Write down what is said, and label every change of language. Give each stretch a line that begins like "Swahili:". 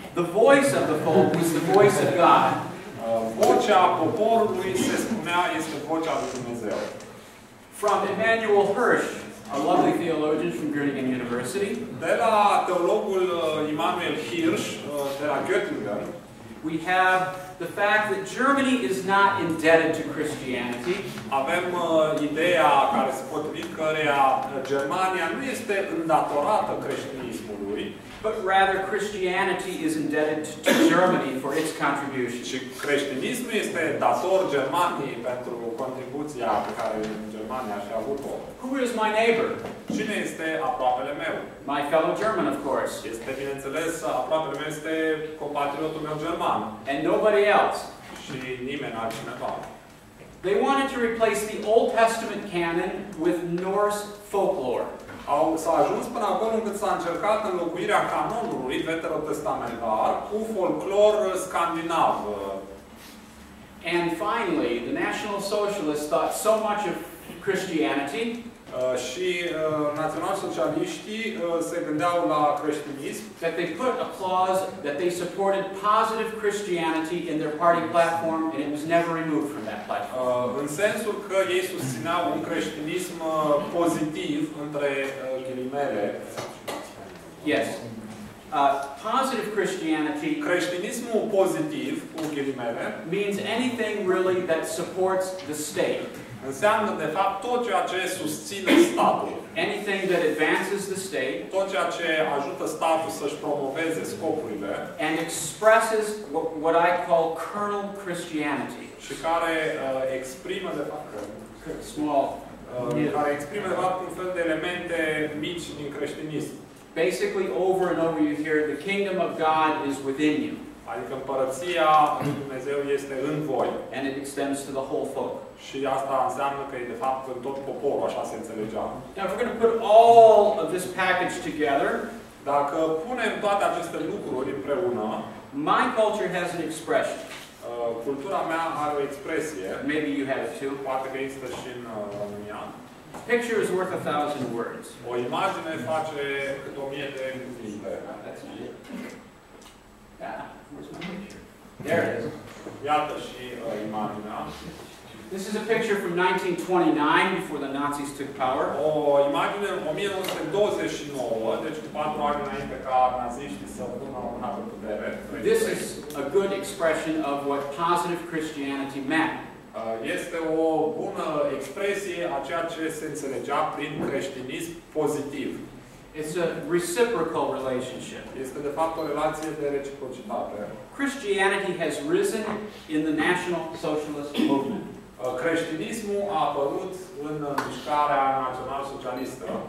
English: The voice of the folk was the voice of God.
Romanian: Vocea poporului se spunea este vocea lui Dumnezeu.
English: From Emmanuel Hirsch, a lovely theologian from Göttingen University.
Romanian: De la teologul Immanuel Hirsch, de la Göttingen.
English: We have the fact that Germany is not indebted to Christianity.
Romanian: Avem ideea care se potrivit căreia Germania nu este îndatorată creștinismului.
English: But rather Christianity is indebted to Germany for its contribution.
Romanian: Și creștinismul este dator Germaniei pentru contribuția pe care Germania și-a avut-o.
English: Who is my neighbor?
Romanian: Cine este aproapele meu?
English: My fellow German, of course.
Romanian: Este, bineînțeles, aproapele meu este compatriotul meu german.
English: And nobody else.
Romanian: Și nimeni altcineva.
English: They wanted to replace the Old Testament canon with Norse folklore.
Romanian: s-a ajuns până acolo încât s-a încercat înlocuirea canonului veterotestamentar cu folclor scandinav.
English: And finally, the National Socialists thought so much of Christianity.
Romanian: Și naționalsocialiștii se gândeau la creștinism.
English: That they put a clause that they supported positive Christianity in their party platform, and it was never removed from that platform.
Romanian: În sensul că ei susțineau un creștinism pozitiv între ghilimele.
English: Yes. Positive Christianity,
Romanian: creștinismul pozitiv, cu ghilimele,
English: means anything really that supports the state.
Romanian: Înseamnă, de fapt, tot ceea ce susține statul.
English: Anything that advances the state,
Romanian: tot ceea ce ajută statul să-și promoveze scopurile,
English: and expresses what I call kernel Christianity.
Romanian: Și care exprimă, de fapt, care exprimă, de fapt, un fel de elemente mici din creștinism.
English: Basically, over and over you hear, the kingdom of God is within you.
Romanian: Adică împărăția lui Dumnezeu este în voi.
English: And it extends to the whole folk.
Romanian: Și asta înseamnă că e de fapt în tot poporul, așa se înțelegea.
English: Now, if we're going to put all of this package together,
Romanian: dacă punem toate aceste lucruri împreună,
English: my culture has an expression.
Romanian: Cultura mea are o expresie.
English: Maybe you have it too.
Romanian: Poate că există și în România.
English: Picture is worth 1,000 words.
Romanian: O imagine face cât 1,000 de cuvinte.
English: That's it. Yeah, where's my picture? There it is.
Romanian: Iată și imaginea.
English: This is a picture from 1929, before the Nazis took power.
Romanian: O imagine 1929, deci cu 4 ani înainte ca naziștii să pună la mână putere.
English: This is a good expression of what positive Christianity meant.
Romanian: Este o bună expresie a ceea ce se înțelegea prin creștinism pozitiv.
English: It's a reciprocal relationship.
Romanian: Este de fapt o relație de reciprocitate.
English: Christianity has risen in the National Socialist Movement.
Romanian: Creștinismul a apărut în mișcarea național-socialistă.